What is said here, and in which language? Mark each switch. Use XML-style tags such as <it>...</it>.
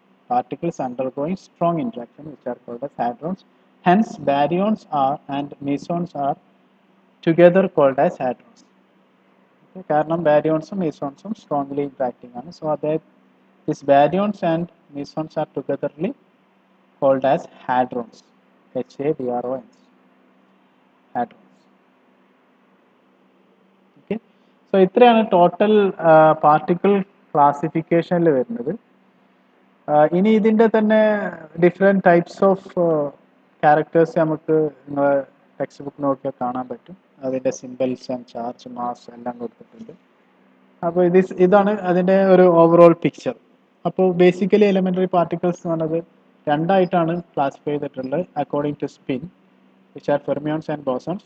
<en>Particles undergoing strong interaction which are called as hadrons. Hence baryons are and mesons are together called as hadrons.</en> <ml>കാരണം ബാരിയോൺസും മീസോൺസും strongly interacting ആണ്. So അതെ</ml> <en>This baryons and mesons are togetherly called as hadrons, H-A-D-R-O-N-S, hadrons. Okay. So, this is the total particle classification.</en> <ml>ഇനി ഇതിൻ്റെ തന്നെ different types of characters നമുക്ക് നിങ്ങളെ text book നോക്കിയാൽ കാണാൻ പറ്റും. അതിൻ്റെ സിമ്പിൾസ് ആൻഡ് ചാർജ് മാസ് എല്ലാം കൊടുത്തിട്ടുണ്ട്. അപ്പോൾ ഇത് ഇതാണ് അതിൻ്റെ ഒരു ഓവറോൾ പിക്ചർ. അപ്പോൾ ബേസിക്കലി എലിമെൻ്ററി പാർട്ടിക്കിൾസ് എന്ന് പറഞ്ഞത് രണ്ടായിട്ടാണ് ക്ലാസിഫൈ ചെയ്തിട്ടുള്ളത്</ml> <en>According to spin, which are fermions and bosons.</en>